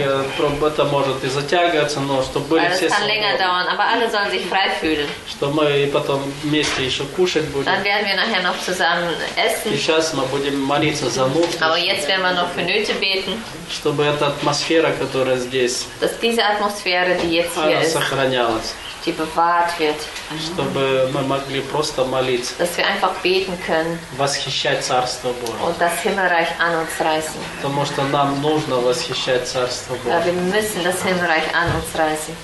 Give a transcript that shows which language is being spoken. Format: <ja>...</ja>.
<ru>Если это может и затягиваться, но чтобы были все свободны.</ru> <de>Es kann länger dauern, aber alle sollen sich frei fühlen.</de> <ru>Что мы потом вместе еще кушать будем.</ru> <de>Dann werden wir nachher noch zusammen essen.</de> <ru>И сейчас мы будем молиться за нужды.</ru> <de>Aber jetzt werden wir noch für Nöte beten.</de> <ru>Чтобы эта атмосфера, которая здесь.</ru> <de>Dass diese Atmosphäre, die jetzt hier ist.</de> <ru>Сохранялась.</ru> <de>Die bewahrt wird.</de> <ru>Чтобы мы могли просто молиться.</ru> <de>Dass wir einfach beten können.</de> <ru>Восхищать Царство Божие.</ru> <de>Und das Himmelreich an uns reißen.</de> <ru>Потому что нам нужно восхищать Царство Божие.</ru> <de>Weil wir müssen das Himmelreich an uns reißen.</de>